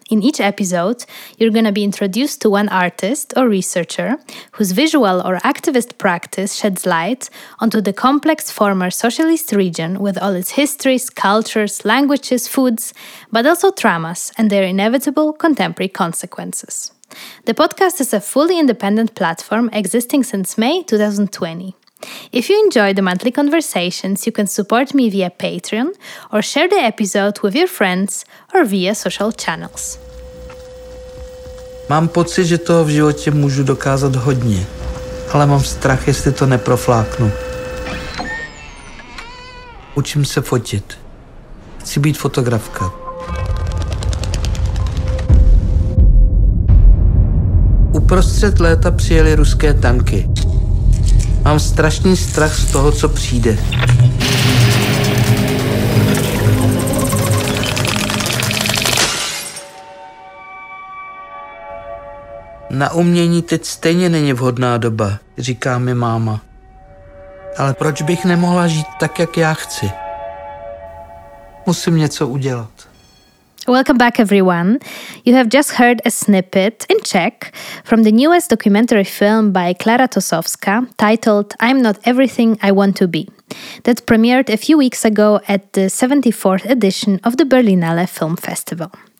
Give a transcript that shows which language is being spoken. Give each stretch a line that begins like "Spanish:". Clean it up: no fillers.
English: In each episode, you're going to be introduced to one artist or researcher whose visual or activist practice sheds light onto the complex former socialist region with all its histories, cultures, languages, foods, but also traumas and their inevitable contemporary consequences. The podcast is a fully independent platform existing since May 2020. If you enjoy the monthly conversations, you can support me via Patreon or share the episode with your friends or via social channels.
Czech: Mám pocit, že toho v životě můžu dokázat hodně, ale mám strach, jestli to neprofláknu. Učím se fotit. Chci být fotografka. Uprostřed léta přijeli ruské tanky. Mám strašný strach z toho, co přijde. Na umění teď stejně není vhodná doba, říká mi máma. Ale proč bych nemohla žít tak, jak já chci? Musím něco udělat.
English: Welcome back, everyone. You have just heard a snippet in Czech from the newest documentary film by Klára Tosovská titled I'm Not Everything I Want to Be, that premiered a few weeks ago at the 74th edition of the Berlinale Film Festival.